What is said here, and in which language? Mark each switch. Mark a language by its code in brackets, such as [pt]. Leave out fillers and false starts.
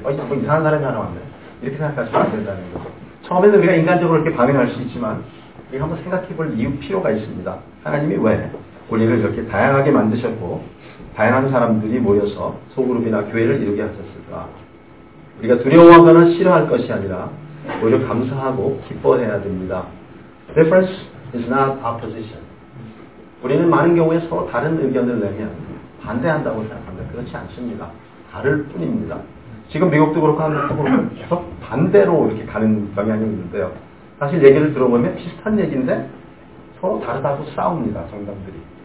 [ko] 뭐 이상한 사람이 하나 왔네 이렇게 생각하시면 안 된다는 거죠. 처음에는 우리가 인간적으로 이렇게 반응할 수 있지만 이거 한번 생각해 볼 이유 필요가 있습니다. 하나님이 왜 우리를 이렇게 다양하게 만드셨고 다양한 사람들이 모여서 소그룹이나 교회를 이루게 하셨을까. 우리가 두려워하거나 싫어할 것이 아니라 오히려 감사하고 기뻐해야 됩니다. [en] Difference is not opposition. [ko] 우리는 많은 경우에 서로 다른 의견을 내면 반대한다고 생각합니다. 그렇지 않습니다. 다를 뿐입니다. 지금 미국도 그렇고 한국도 그렇고 계속 반대로 이렇게 가는 경향이 있는데요. 사실 얘기를 들어보면 비슷한 얘기인데 서로 다르다고 싸웁니다. 정당들이.